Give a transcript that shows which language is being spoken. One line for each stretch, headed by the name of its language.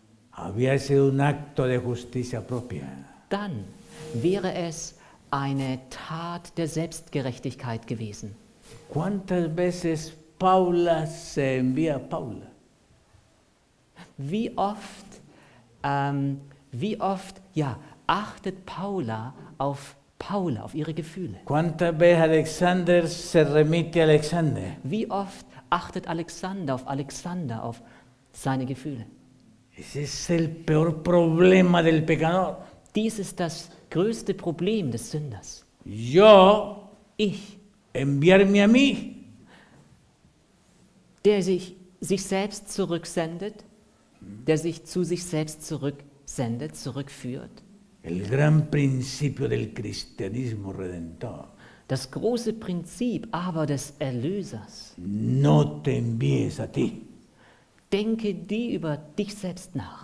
Spanish: había sido un acto de justicia propia,
German: dann wäre es eine Tat der Selbstgerechtigkeit gewesen.
Spanish: ¿Cuántas veces Paula se envía Paula?
German: Wie oft, ja, achtet Paula auf Paula, auf ihre Gefühle?
Spanish: ¿Cuántas veces Alexander se remite a Alexander?
German: Wie oft achtet Alexander auf Alexander, auf seine Gefühle?
Spanish: Ese es el peor problema del pecador.
German: Dies ist das größte Problem des Sünders.
Spanish: Yo,
German: ich,
Spanish: enviarme a mí.
German: Der sich selbst zurücksendet, der sich zu sich selbst zurücksendet, zurückführt.
Spanish: El gran principio del cristianismo redentor.
German: Das große Prinzip aber des Erlösers.
Spanish: No te envíes a ti.
German: Denke die über dich selbst nach.